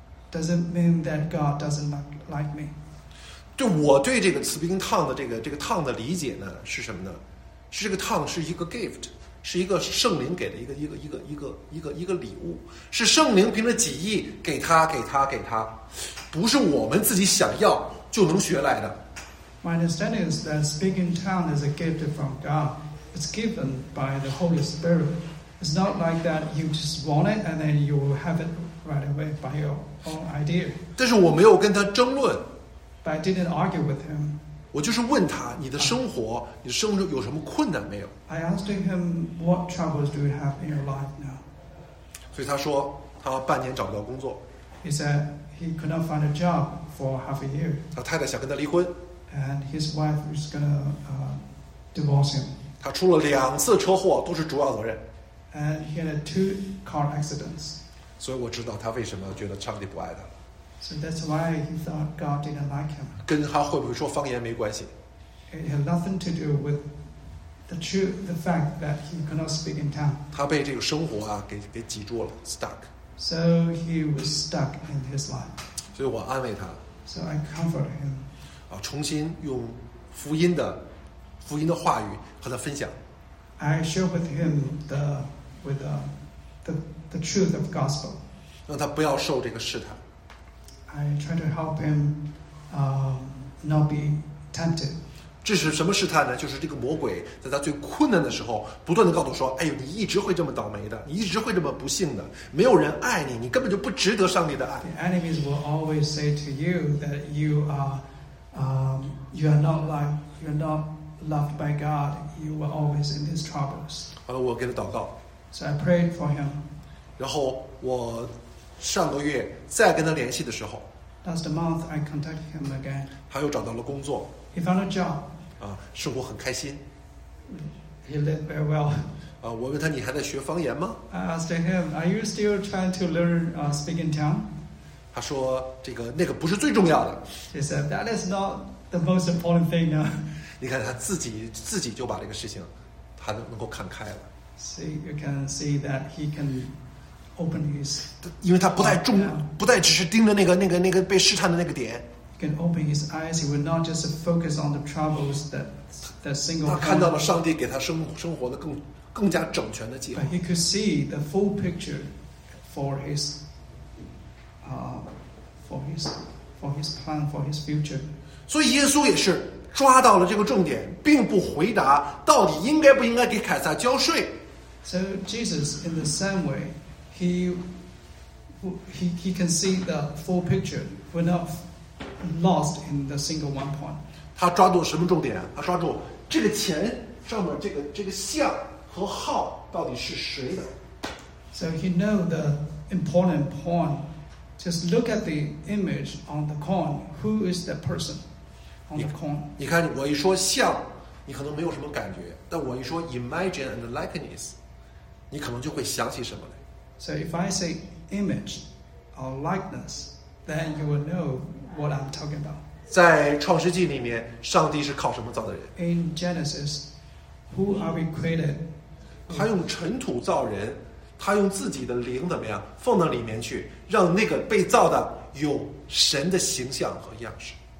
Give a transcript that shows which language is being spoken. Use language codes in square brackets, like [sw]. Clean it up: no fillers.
[en] Doesn't mean that God doesn't like me. [zh] 就我对这个 [en] speaking tongue [zh] 的这个 tongue 的理解呢，是什么呢？是这个 tongue 是一个 gift， 是一个圣灵给的一个礼物，是圣灵凭着己意给他，不是我们自己想要就能学来的。 [en] My understanding is that speaking tongue is a gift from God. It's given by the Holy Spirit. It's not like that you just want it and then you have it right away by your idea. [zh] 但是我没有跟他争论。 [en] But I didn't argue with him. [zh] 我就是问他，你的生活，你的生活有什么困难没有 [en] ？I asked him what troubles do you have in your life now. [zh] 所以他说他半年找不到工作。 [en] He said he could not find a job for half a year. [zh] 他太太想跟他离婚。 [en] And his wife is gonna divorce him. [zh] 他出了两次车祸，都是主要责任。 [en] And he had two car accidents. [zh] 所以我知道他为什么觉得上帝不爱他。 [en] So that's why he thought God didn't like him. [zh] 跟他会不会说方言没关系。 [en] It had nothing to do with the fact that he could not speak in tongue. [zh] 他被这个生活啊给挤住了 ， [en] stuck. So he was stuck in his life. [zh] 所以我安慰他。 [en] So I comfort him. [zh] 啊，重新用福音的话语和他分享。 [en] I share with him the the truth of gospel. [zh] 让他不要受这个试探。 [en] I try to help him, not be tempted. [zh] 这是什么试探呢？就是这个魔鬼在他最困难的时候，不断的告诉说：“哎呦，你一直会这么倒霉的，你一直会这么不幸的，没有人爱你，你根本就不值得上帝的爱。” [en] The enemies will always say to you that you are, you are not like, you are not loved by God. You were always in these troubles. [zh] 好了，我给他祷告。 [en] So I prayed for him. [zh] 然后我。上个月再跟他联系的时候 [en] last month I contacted him again. [zh] 他又找到了工作 [en] he found a job. [zh] 啊，生活很开心 [en] he lived very well. [zh] 啊，我问他你还在学方言吗 [en] I asked him, are you still trying to learn speaking tongue? [zh] 他说这个那个不是最重要的 [en] he said, that is not the most important thing now. [zh] 你看他自己就把这个事情他能够看开了 [en] See, you can see that he can open his [zh] 因为他不太重不太只是盯着那个被试探的那个点 [en] he can open his eyes he will not just focus on the troubles that single [zh] 他看到了上帝给他生活的更加整全的计划 [en] but he could see the full picture for his for his plan for his future [zh] 所以耶稣也是抓到了这个重点并不回答到底应该不应该给凯撒交税 [en] so Jesus in the same wayHe can see the full picture. We're not lost in the single one point. [zh] 他抓住什么重点？他抓住这个钱上面这个像和号到底是谁的 [en] ？So he know the important point. Just look at the image on the coin. Who is the person on the coin? [zh] 你看，我一说像，你可能没有什么感觉，但我一说 [en] imagine and likeness， [zh] 你可能就会想起什么来。 [en] So if I say image or likeness, then you will know what I'm talking about. [zh] 在创世纪里面，上帝是靠什么造的人 [en] ？In Genesis, who are we created? [zh] 他用尘土造人，他用自己的灵怎么样放到里面去，让那个被造的有神的形象和样式。